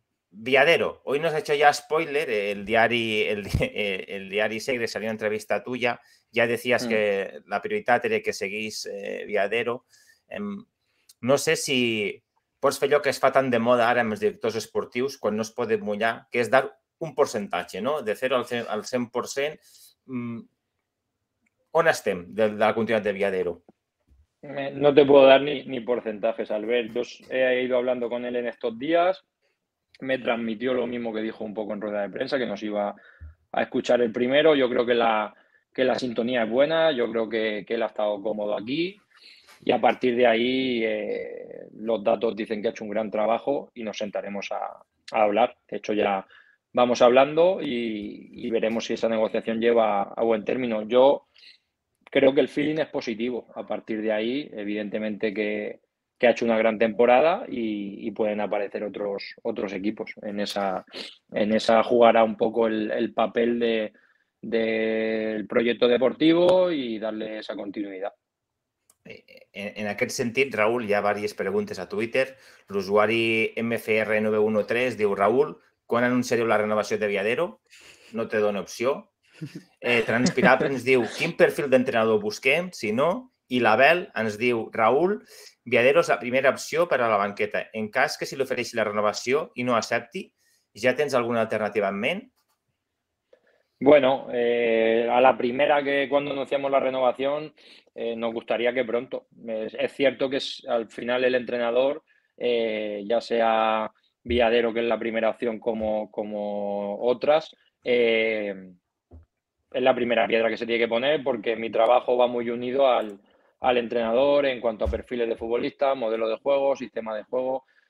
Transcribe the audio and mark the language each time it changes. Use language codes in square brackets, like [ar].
[es] Viadero, hoy nos ha hecho ya spoiler, el diari Segre salió una entrevista tuya, ya decías que [ca] la prioritat era que seguís [es] Viadero. [ca] No sé si pots fer allò que es fa tan de moda ara amb els directors esportius, quan no es poden mullar, que és dar un percentatge, no? De 0 al 100%. On estem de la continuïtat de Viadero? [es] No te puedo dar ni porcentajes, Albert. Yo he ido hablando con él en estos días. Me transmitió lo mismo que dijo un poco en rueda de prensa, que nos iba a escuchar el primero. Yo creo que la sintonía es buena. Yo creo que él ha estado cómodo aquí. Y a partir de ahí, los datos dicen que ha hecho un gran trabajo y nos sentaremos a hablar. De hecho, ya vamos hablando y veremos si esa negociación lleva a buen término. Yo creo que el feeling es positivo. A partir de ahí, evidentemente que que ha hecho una gran temporada y pueden aparecer otros equipos. En esa jugará un poco el papel del proyecto deportivo y darle esa continuidad. [ca] En aquest sentit, Raúl, hi ha diverses preguntes a Twitter. L'usuari MFR913 diu: Raúl, quan anunciareu la renovació de Viadero? No te dona opció. Transpirat ens diu: quin perfil d'entrenador busquem, si no? I l'Abel ens diu: Raúl, Viadero és la primera opció per a la banqueta. En cas que si l'ofereixi la renovació i no accepti, ja tens alguna alternativa en ment? [es] Bueno, a la primera, que cuando anunciamos la renovación, nos gustaría que pronto. Es cierto que es, al final el entrenador, ya sea Viadero, que es la primera opción, como otras, es la primera piedra que se tiene que poner, porque mi trabajo va muy unido al entrenador en cuanto a perfiles de futbolista, modelo de juego, sistema de juego.